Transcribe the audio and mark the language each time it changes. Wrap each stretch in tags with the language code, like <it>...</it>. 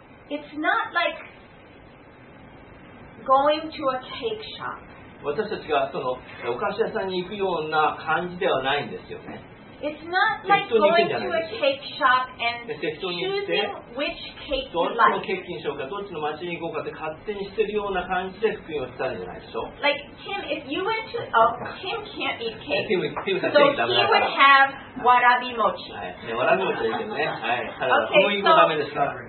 <en>It's not like going to a cake shop.</en> <ja>私たちがそのお菓子屋さんに行くような感じではないんですよね。</ja> <en>It's not like going to a cake shop and choosing which cake you like.</en> <ja>どのケーキにしようか、どっちの町に行こうかって勝手にしてるような感じで福音を伝えるんじゃないでしょう。</ja> <en>Like Tim, if you went to, Tim can't eat cake. So he would have warabi mochi.</en> <ja>はい、ね、わらび餅ですね。はい、ただ小麦粉ダメですか。</ja>